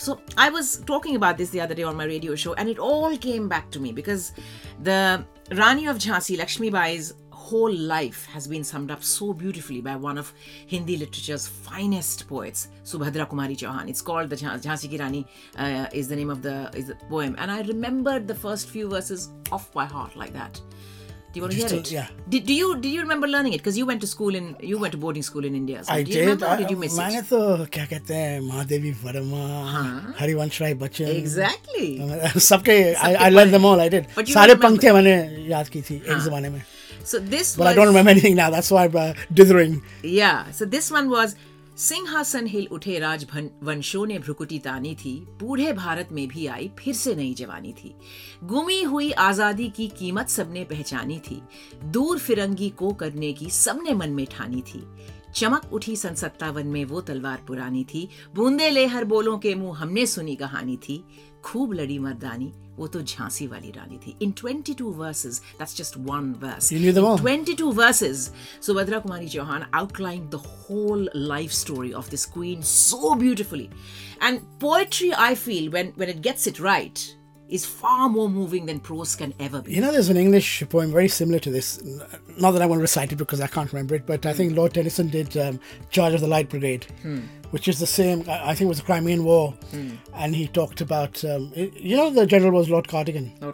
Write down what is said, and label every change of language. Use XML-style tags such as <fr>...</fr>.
<en>So I was talking about this the other day on my radio show and it all came back to me because the Rani of Jhansi, Lakshmi Bai's whole life has been summed up so beautifully by one of Hindi literature's finest poets, Subhadra Kumari Chauhan. It's called the Jhansi Ki Rani is the poem. And I remembered the first few verses off by heart like that. Do you want to hear it? Yeah. Do you remember learning it? Because you went to school in boarding school in India. So I do you did. Remember, or did you miss it?</en> <hi>मैंने तो क्या कहते हैं Mahadevi Verma Harivansh Rai Bachchan</hi> <en>exactly</en> <hi>सबके</hi> <en>I learned them all I did but</en> <hi>सारे पंक्तियां मैंने याद की थी एक ज़माने में</hi> <en>so this but I don't remember anything now that's why I'm dithering yeah so this one was</en> <hi>सिंहासन हिल उठे राज वंशों ने भ्रुकुटी तानी थी बूढ़े भारत में भी आई फिर से नई जवानी थी गुमी हुई आजादी की कीमत सबने पहचानी थी दूर फिरंगी को करने की सबने मन में ठानी थी चमक उठी सन 57 में वो तलवार पुरानी थी बूंदे ले हर बोलों के मुंह हमने सुनी कहानी थी खूब लड़ी मर्दानी वो तो झांसी वाली रानी थी</hi> <en>इन 22 verses that's just one verse you knew them all. 22 verses Subhadra Kumari Chauhan outlined the whole life story of this queen so beautifully and poetry I feel when it gets it right is far more moving than prose can ever be you know there's an English poem very similar to this not that I want to recite it because I can't remember it but I think Lord Tennyson did Charge of the Light Brigade which is the same I think it was the Crimean War and he talked about you know the general was Lord Cardigan</en>